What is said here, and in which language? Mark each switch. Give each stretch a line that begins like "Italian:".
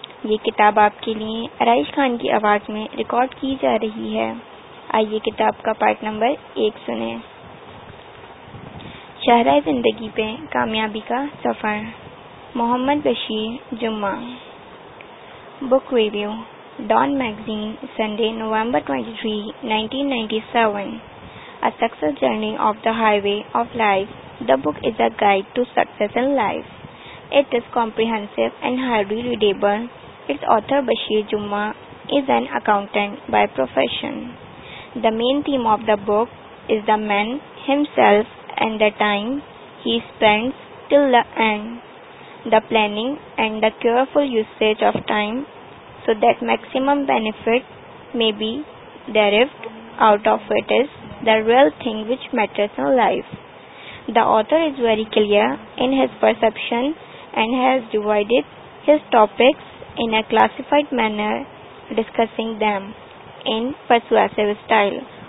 Urdu: یہ کتاب آپ کے لیے آرائش خان کی آواز میں ریکارڈ کی جا رہی ہے. آئیے کتاب کا پارٹ نمبر 1 سنیں. شہرہ زندگی پہ کامیابی کا سفر, محمد بشیر جمعہ.
English: Book review, Dawn magazine, Sunday November 23, 1997. A success journey of the highway of life. The book is a guide to success in life. It is comprehensive and highly readable. Its author Bashir Juma is an accountant by profession. The main theme of the book is the man himself and the time he spends till the end. The planning and the careful usage of time so that maximum benefit may be derived out of it is the real thing which matters in life. The author is very clear in his perception and has divided his topics in a classified manner, discussing them in persuasive style.